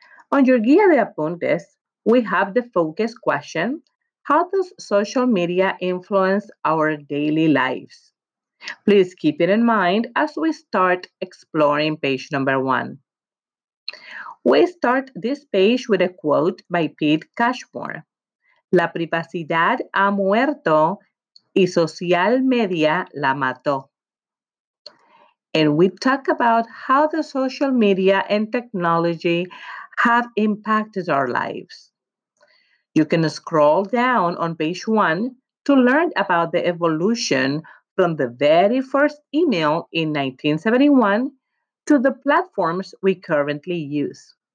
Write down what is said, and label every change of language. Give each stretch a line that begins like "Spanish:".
English: On your
Spanish: guía de apuntes,
English: we have the focus question. How does social media influence our daily lives? Please keep it in mind as we start exploring page number one. We start this page with a quote by Pete Cashmore.
Spanish: La privacidad ha muerto y
English: social media
Spanish: la mató.
English: And we talk about how the social media and technology have impacted our lives. You can scroll down on page one to learn about the evolution from the very first email in 1971 to the platforms we currently use.